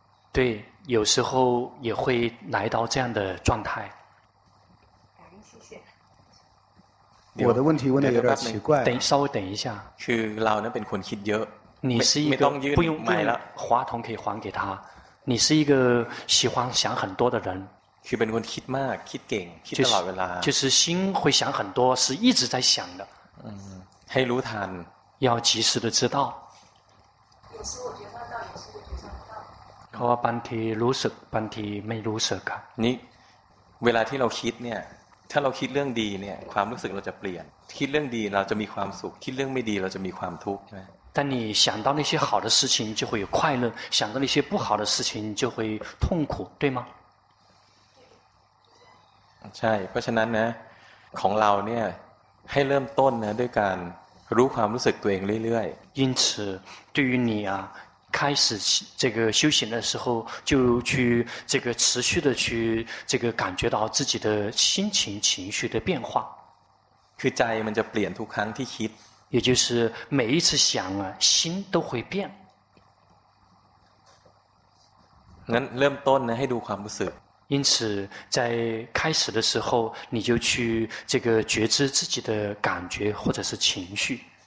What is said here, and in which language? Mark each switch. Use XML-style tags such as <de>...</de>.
<zh>对有时候也会来到这样的状态我的问题问的有点奇怪等稍微等一下是老那边困气的你是一个不用买了话筒可以还给他你是一个喜欢想很多的人</zh> <th>คือเป็นคนคิดมากคิดเก่งคิดตลอดเวลา</th> <zh>就是心会想很多是一直在想的</zh> <th>ให้รู้ทัน</th> <zh>要及时的知道有时我觉察到有时我觉察不到</zh> <th>เพราะว่าบางทีรู้สึกบางทีไม่รู้สึกครับ นี่เวลาที่เราคิดเนี่ยถ้าเราคิดเรื่องดีเนี่ยความรู้สึกเราจะเปลี่ยนคิดเรื่องดีเราจะมีความสุขคิดเรื่องไม่ดีเราจะมีความทุกข์ใช่ไหม</th> <zh>但你想到那些好的事情就会有快乐想到那些不好的事情就会痛苦对吗</zh> <th>ใช่เพราะฉะนั้นนะของเราเนี่ยให้เริ่มต้นนะด้วยการรู้ความรู้สึกตัวเองเรื่อย</th> <zh>ๆ因此对于你啊开始这个修行的时候就去这个持续的去这个感觉到自己的心情情绪的变化</zh> <th>คือใจมันจะเปลี่ยนทุกครั้งที่คิด</th> <zh>也就是每一次想啊心都会变</zh> <th>งั้นเริ่มต้นนะให้ดูความรู้สึก</th> <zh>因此在开始的时候你就去这个觉知自己的感觉或者是情绪</zh>